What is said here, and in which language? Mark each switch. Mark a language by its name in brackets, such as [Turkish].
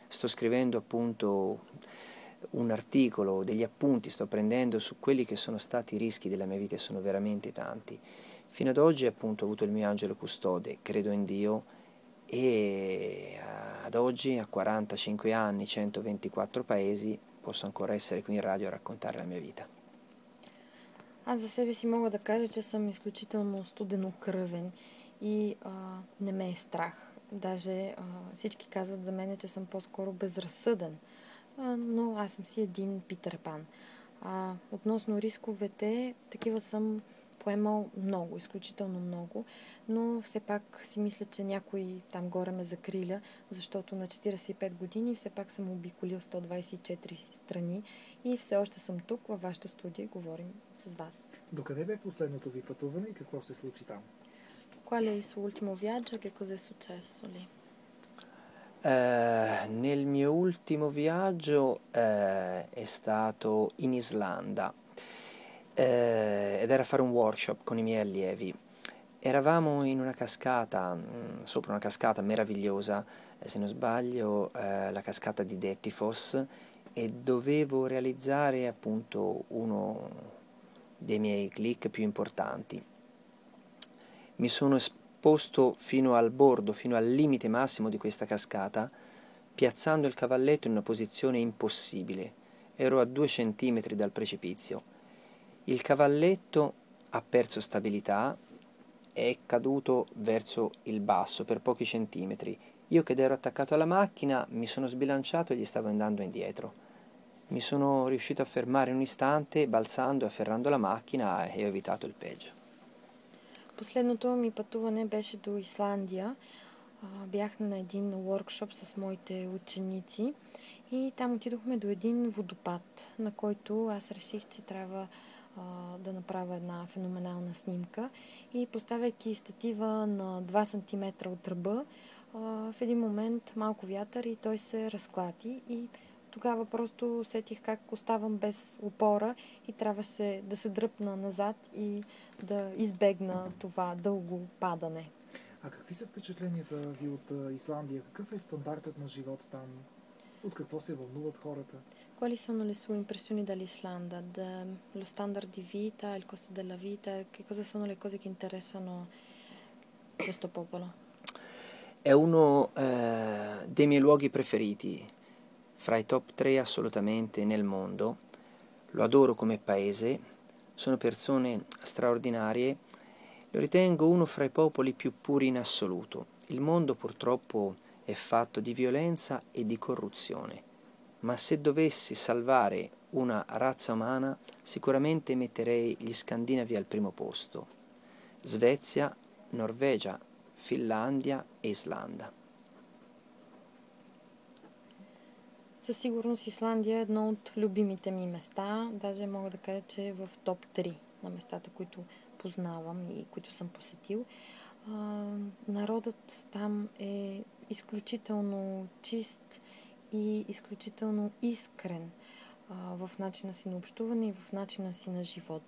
[Italian] Sto scrivendo appunto un articolo, degli appunti sto prendendo su quelli che sono stati i rischi della mia vita e sono veramente tanti. Fino ad oggi appunto ho avuto il mio angelo custode, credo in Dio, e ad oggi a 45 anni, 124 paesi, posso ancora essere qui in radio a raccontare la mia vita. [Bulgarian] Аз за себе си мога да кажа, че съм изключително студенокръвен и не ме е страх. Даже всички казват за мене, че съм по-скоро безразсъден. Но аз съм си един Питър Пан. Относно рисковете, такива съм поемал много, изключително много, но все пак си мисля, че някой там горе ме закриля, защото на 45 години все пак съм обиколил 124 страни и все още съм тук във вашето студие, говорим с вас. До къде бе последното ви пътуване и какво се случи там? [Italian] Qual è il suo ultimo viaggio? Che cosa è successo lì? Nel mio ultimo viaggio è stato in Islanda ed era fare un workshop con i miei allievi. Eravamo in una cascata, sopra una cascata meravigliosa, se non sbaglio, la cascata di Dettifoss, e dovevo realizzare appunto uno dei miei click più importanti. Mi sono esposto fino al bordo, fino al limite massimo di questa cascata, piazzando il cavalletto in una posizione impossibile. Ero a 2 centimetri dal precipizio. Il cavalletto ha perso stabilità, è caduto verso il basso per pochi centimetri. Io che ero attaccato alla macchina mi sono sbilanciato e gli stavo andando indietro. Mi sono riuscito a fermare un istante, balzando e afferrando la macchina e ho evitato il peggio. [Bulgarian] Последното ми пътуване беше до Исландия. Бях на един workshop с моите ученици и там отидохме до един водопад, на който аз реших, че трябва да направя една феноменална снимка. И поставяйки статива на 2 см от ръба, в един момент малко вятър и той се разклати и тогава просто усетих как оставам без опора и трябваше да се дръпна назад и да избегна това дълго падане. А какви са впечатленията ви от Исландия? Какъв е стандартът на живот там? От какво се вълнуват хората? [Italian] Quali sono le sue impressioni dall'Islanda? Lo standard di vita, il costo della vita, che cosa sono le cose che interessano questo popolo? È uno dei miei luoghi preferiti, fra i top 3 assolutamente nel mondo. Lo adoro come paese, sono persone straordinarie, lo ritengo uno fra i popoli più puri in assoluto. Il mondo purtroppo è fatto di violenza e di corruzione. Ma se dovessi salvare una razza umana, sicuramente metterei gli Scandinavi al primo posto. Svezia, Norvegia, Finlandia e Islanda. [Bulgarian] Със сигурност Исландия е едно от любимите ми места. Даже мога да кажа, че е в топ 3 на местата, които познавам и които съм посетил. Народът там е изключително чист и изключително искрен в начина си на общуване и в начина си на живот.